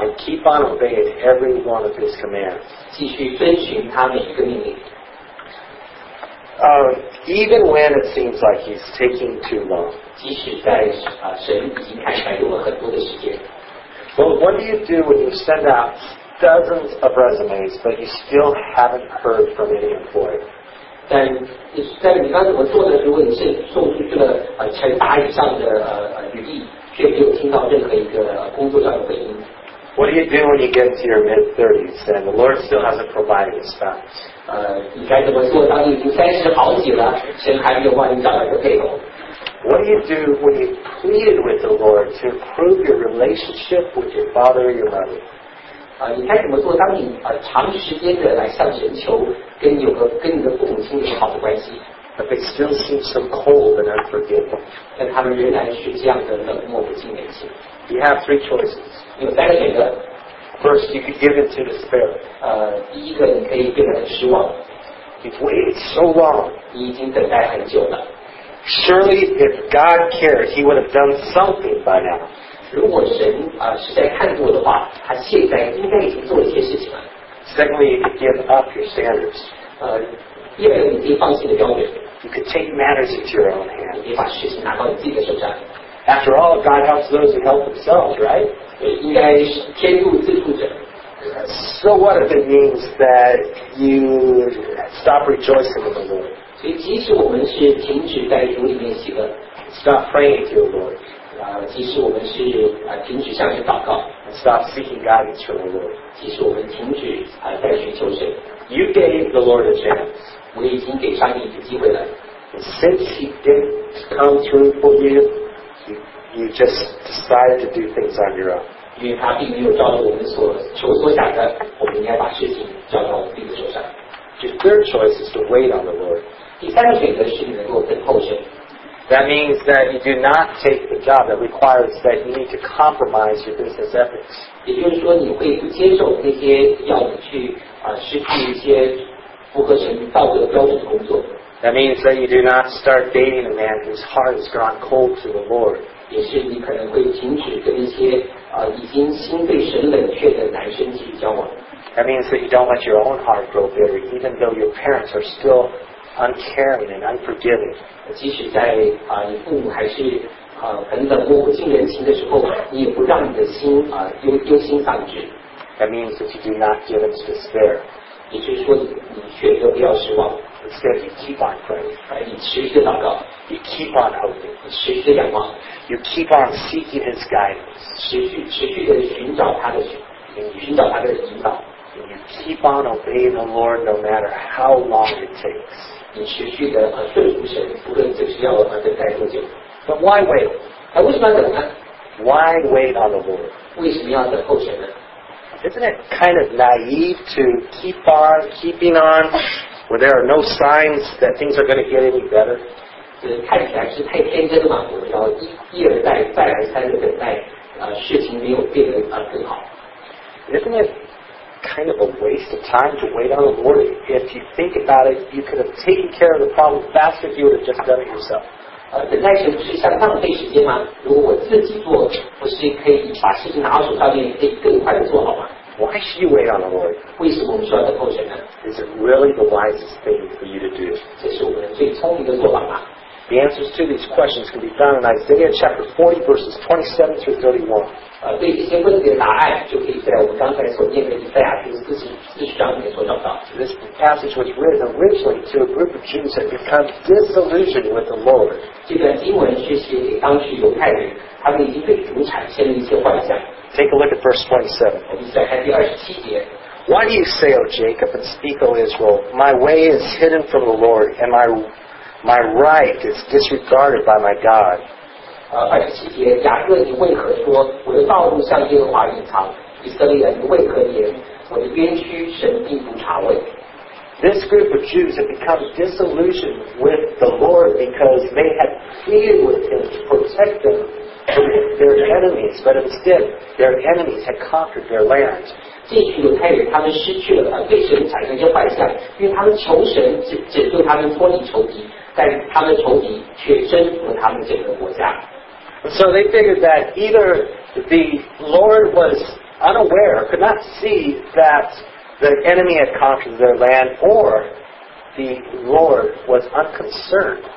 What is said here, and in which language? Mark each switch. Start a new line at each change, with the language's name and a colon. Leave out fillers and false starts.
English: And keep on obeying every one of His commands.
Chinese: 继续遵循他每一个命令。
English: Even when it seems like He's taking too long.
Chinese: 即使在神已经开始用了很多的时间。
English: Well, what do you do when you send out dozens of resumes, but you still haven't heard from any employee?
Chinese: 但你在你刚怎么做的时候，你是送出去了成百以上的履历，却没有听到任何一个工作上的回应。
English: What do you do when you get to your mid-30s and the Lord still hasn't provided a spouse?
Chinese: 你该怎么做？当你已经三十好几了，神还没有帮你找到一个配偶。
English: What do you do when you pleaded with the Lord to improve your relationship with your father or your mother?
Chinese: 你该怎么做？当你长时间的来向神求，跟你的父母亲有好的关系
English: ，But they still seem so cold and unforgiving.
Chinese: 但他们仍然是这样的冷漠不近人情。
English: You have three choices.
Chinese: 你有三个选择。
English: First, you could give into despair.
Chinese: 第一个你可以变得很失望。
English: You've waited so long.
Chinese: 你已经等待很久了。
English: Surely, if God cared, He would have done something by now.
Chinese: 如果神是在看顾的话，他现在应该已经做了一些事情了。
English: Secondly, you could give up your standards.
Chinese: 第二个，你可以放弃的标准。
English: You could take matters into your own hands.
Chinese: 你把事情拿到你自己的手上。
English: After all, God helps those who help themselves, right?
Chinese: 应该是天助自助者。
English: So what if it means that you stop rejoicing in the Lord?
Chinese: 所以，即使我们是停止在主里面喜乐
English: ，Stop praying to your Lord.
Chinese: 即使我们是停止向神祷告
English: ，stop seeking guidance from the Lord，
Chinese: 即使我们停止在寻求神
English: ，you gave the Lord a chance，
Chinese: 我已经给上帝一个机会了。
English: Since He didn't come through for you， you just decided to do things on your own，
Chinese: 因为他并没有照着我们所求所想的，我们应该把事情交到我们自己的手上。
English: Your third choice is to wait on the Lord，
Chinese: 第三个选择是你能够等候神。
English: That means that you do not take the job that requires that you need to compromise your business ethics.
Chinese: 也就是说，你会不接受那些要你去失去一些符合神道德标准的工作。
English: That means that you do not start dating a man whose heart has grown cold to the Lord.
Chinese: 也是你可能会停止跟一些已经心对神冷却的男生去交往。
English: That means that you don't let your own heart grow bitter, even though your parents are still uncaring and unforgiving.
Chinese: 即使在你父母还是很冷漠、不近人情的时候，你也不让你的心忧心丧志。
English: That means that you do not give in to despair.
Chinese: 也就是说你选择不要失望。
English: Instead, you keep on praying.
Chinese: 你持续祷告。
English: You keep on hoping.
Chinese: 你持续仰望。
English: You keep on seeking His guidance.
Chinese: 持续地寻找他的寻找他的引导。
English: And you keep on obeying the Lord no matter how long it takes.
Chinese: 你持续地顺服神，不论这需要等待多久。
English: But why wait?
Chinese: 为什么要等呢？
English: Why wait on the Lord?
Chinese: 为什么要等候神呢？
English: Isn't it kind of naive to keep on keeping on where there are no signs that things are going to get any better?
Chinese: 看起来是太天真了，我们要一而再，再而三的等待，事情没有变得更好。
English: Isn't it kind of a waste of time to wait on the Lord? If you think about it, you could have taken care of the problem faster if you would have just done it yourself.
Chinese: 等待神不是像浪费时间吗？如果我自己做，不是可以把事情拿到手上面，可以更快的做好吗？
English: Why should you wait on the Lord?
Chinese: 为什么我们需要等候神呢？
English: Is it really the wisest thing for you to do?
Chinese: 这是我们最聪明的做法吗？
English: The answers to these questions can be found in Isaiah chapter 40 verses 27 through 31.
Chinese: 对这些问题的答案就可以在我们刚才所念的以赛亚书40章里面所找到。
English: This passage was written originally to a group of Jews that become disillusioned with the Lord.
Chinese: 这段经文是写给当时犹太人，他们已经对主产生了一些幻想。
English: Take a look at verse 27.
Chinese: 我们再看第27节。
English: Why do you say, O Jacob, and speak, O Israel, My way is hidden from the Lord, and my right is disregarded by my God?
Chinese: 27节，雅各你为何说，我的道路向耶和华隐藏？以色列你为何言，我的冤屈神并不察问？
English: This group of Jews had become disillusioned with the Lord because they had pleaded with him to protect them. Their enemies, but instead, their enemies had conquered their land.
Chinese: 这群犹太人，他们失去了对神产生一些幻想，因为他们求神拯救他们脱离仇敌，但他们仇敌却征服了他们整个国家。
English: So they figured that either the Lord was unaware, could not see that the enemy had conquered their land, or the Lord was unconcerned.